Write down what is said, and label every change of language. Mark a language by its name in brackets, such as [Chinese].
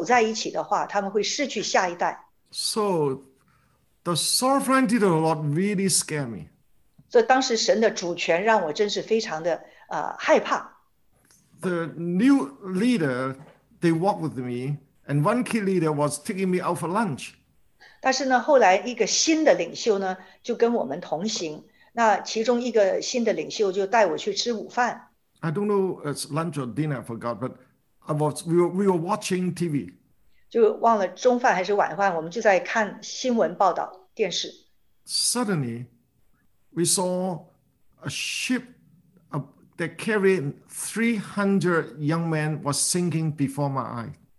[Chinese] 然后呢，主那个时候是给他们一个话语，如果这些韩国的父老们不同行，不走在一起的话，他们会失去下一代。 So [English] the sovereignty of the Lord really scared me. [Chinese] 所以当时神的主权让我真是非常的害怕。 The [English] new leader, they walked with me. And one key leader was taking me out for lunch. [Chinese] 但是呢，后来一个新的领袖呢，就跟我们同行。那其中一个新的领袖就带我去吃午饭。 I [English] don't know if it's lunch or dinner, I forgot, but we were watching TV. [Chinese] 就忘了中饭还是晚饭，我们就在看新闻报道电视。 Suddenly, [English] we saw a ship that carried 300 young men was sinking before my eyes.